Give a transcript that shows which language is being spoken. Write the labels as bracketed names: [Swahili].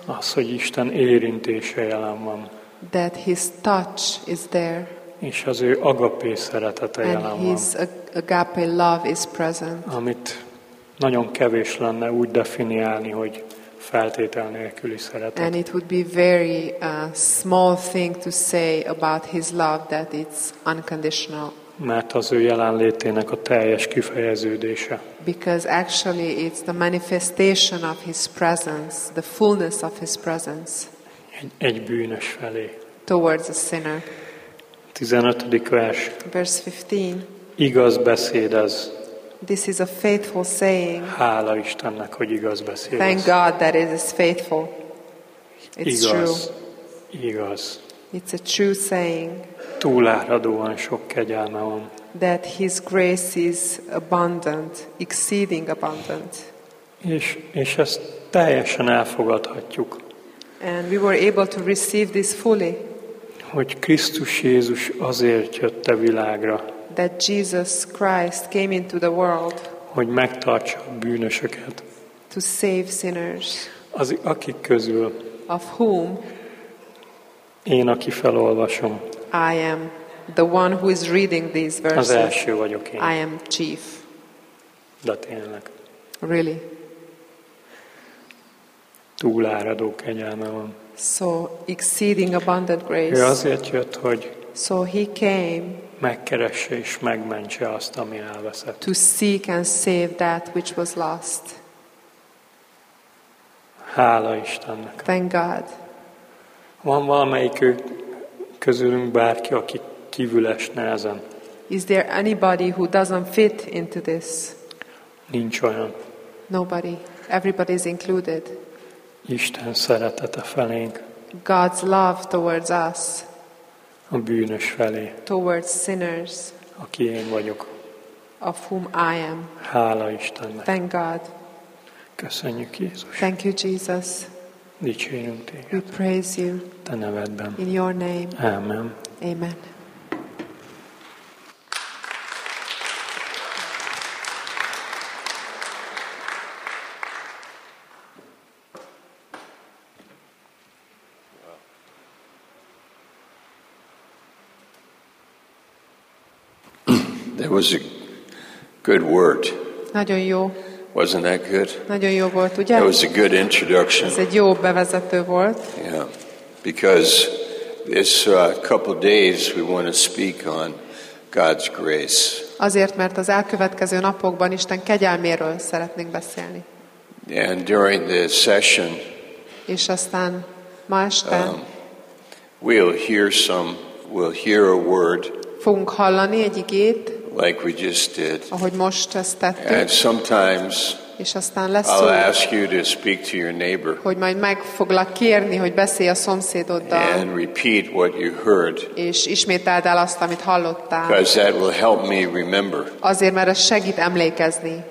[Hungarian] Az, hogy Isten érintése jelen van. [English] That his touch is there. [Hungarian] És az ő agapé szeretete jelen van. [English] And his agape love is present. [Hungarian] Amit nagyon kevés lenne úgy definiálni, hogy feltétel nélküli szeretet. [English] And it would be very small thing to say about his love that it's unconditional. [Hungarian] Mert az ő jelenlétének a teljes kifejeződése. [English] Because actually it's the manifestation of his presence, the fullness of his presence. [Hungarian] Egy bűnös felé. [English] Towards a sinner. [Hungarian] 15. vers. [English] Verse 15. [Hungarian] Igaz beszéd az. [English] This is a faithful saying. [Hungarian] Hála Istennek, hogy igaz beszéd. [English] Thank God that it is faithful. It's igaz. True. Igaz. It's a true saying. [Hungarian] Túláradóan sok kegyelme van. [English] That his grace is abundant, exceeding abundant. [Hungarian] És ezt teljesen elfogadhatjuk. [English] And we were able to receive this fully. [Hungarian] Hogy Krisztus Jézus azért jött a világra. [English] That Jesus Christ came into the world. [Hungarian] Hogy megtartsa a bűnösöket. [English] To save sinners. [Hungarian] Az, akik közül. [English] Of whom. [Hungarian] Én, aki felolvasom. [English] I am the one who is reading these verses. [Hungarian] Az első vagyok én. [English] I am chief. [Hungarian] De tényleg. [English] Really. [Hungarian] Túláradó kegyelme van. [English] So exceeding abundant grace. [Hungarian] Ő azért jött, hogy [English] so he came [Hungarian] megkeresse és megmentse azt, ami elveszett. [English] To seek and save that which was lost. [Hungarian] Hála Istennek. [English] Thank God. [Hungarian] Van valamelyik közülünk bárki, aki kívül esne ezen? [English] Is there anybody who doesn't fit into this? [Hungarian] Nincs olyan. [English] Nobody. Everybody is included. [Hungarian] Isten szeretete felénk. [English] God's love towards us. [Hungarian] A bűnös felé. [English] Towards sinners. [Hungarian] Aki én vagyok. [English] Of whom I am. [Hungarian] Hála Istennek. [English] Thank God. [Hungarian] Köszönjük Jézus. [English] Thank you Jesus. [Hungarian] Dicsérünk téged. [English] We praise you. [Hungarian] Te nevedben. [English] In your name. [Hungarian] Amen. [English] Amen. Was a good word. [Hungarian] Nagyon jó. [English] Wasn't that good? [Hungarian] Nagyon jó volt, ugye? [English] It was a good introduction. [Hungarian] Ez egy jó bevezető volt. [English] Yeah, because this couple days we want to speak on God's grace. [Hungarian] Azért, mert az elkövetkező napokban Isten kegyelméről szeretnénk beszélni. [English] And during the session. [Hungarian] És aztán Ma este [English] we'll hear a word. [Hungarian] Fogunk hallani egy igét. [English] Like we just did. [Hungarian] Ahogy most ezt tettük. [English] And sometimes [Hungarian] és aztán lesz [English] I'll ask you to speak to your neighbor. [Hungarian] Hogy majd meg foglak kérni, hogy beszélj a szomszédoddal. [English] And repeat what you heard. [Hungarian] És ismételd el azt, amit hallottál. [English] Because that will help me remember. [Hungarian] Azért, mert ez segít emlékezni.